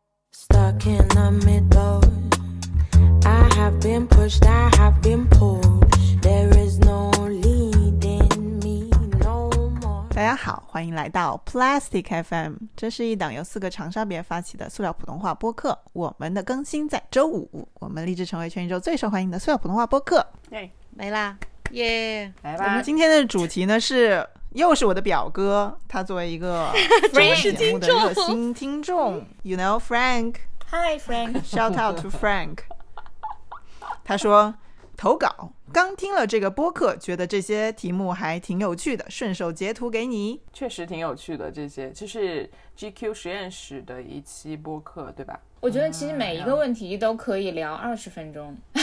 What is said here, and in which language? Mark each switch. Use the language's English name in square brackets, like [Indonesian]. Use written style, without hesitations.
[English] Stuck in the middle, I have been pushed, I have been pulled. There is no leading me no more. [Chinese] 大家好，欢迎来到 Plastic FM. 这是一档由四个长沙别发起的塑料普通话播客。我们的更新在周五，我们立志成为全宇宙最受欢迎的塑料普通话播客。没啦，耶，来吧。我们今天的主题呢是。又是我的表哥，他作为一个忠实听众、热心听众， [English] You know Frank， Hi Frank， Shout out to Frank。 [Chinese] 他说投稿，刚听了这个播客，觉得这些题目还挺有趣的，顺手截图给你。确实挺有趣的，这些就是 GQ 实验室的一期播客，对吧？我觉得其实每一个问题都可以聊20分钟。